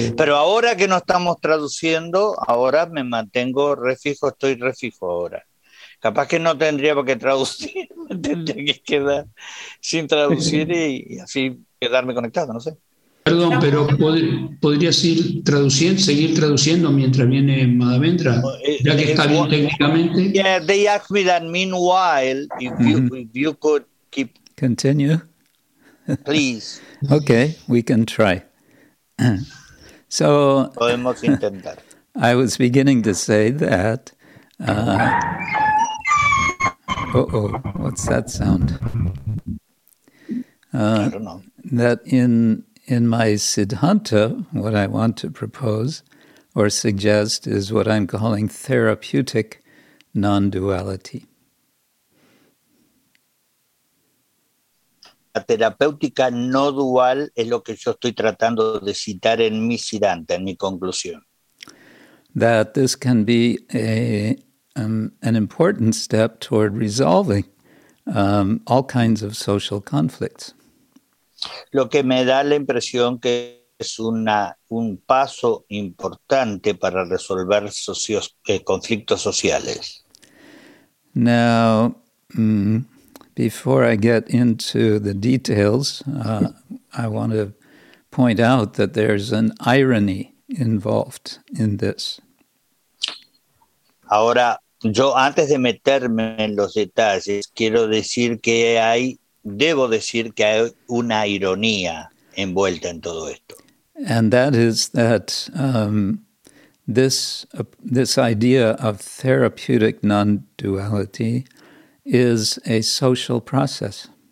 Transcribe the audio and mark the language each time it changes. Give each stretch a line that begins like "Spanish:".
Spanish: Pero ahora que no estamos traduciendo, ahora me mantengo refijo, estoy refijo ahora. Capaz que no tendría por qué traducir, me tendría que quedar sin traducir y así quedarme conectado, no sé. Perdón, pero ¿podrías ir traduciendo, seguir traduciendo mientras viene Madhavendra? Ya que está bien técnicamente.
English: Yeah, they asked me that meanwhile, if you could keep... Continue. Please. Okay, we can try. So,
Spanish: podemos intentar.
English: I was beginning to say that... what's that sound? I don't know. That in my Siddhanta, what I want to propose or suggest is what I'm calling therapeutic non-duality.
Spanish: La terapéutica no dual es lo que yo estoy tratando de citar en mi Siddhanta, en mi conclusión.
English: That this can be an important step toward resolving all kinds of social conflicts.
Spanish: Lo que me da la impresión que es un paso importante para resolver conflictos sociales.
English: Now, before I get into the details, I want to point out that there's an irony involved in this.
Spanish: Ahora, yo antes de meterme en los detalles, quiero decir que hay una ironía envuelta en todo esto.
English: And that is that this idea of therapeutic non-duality is a social process.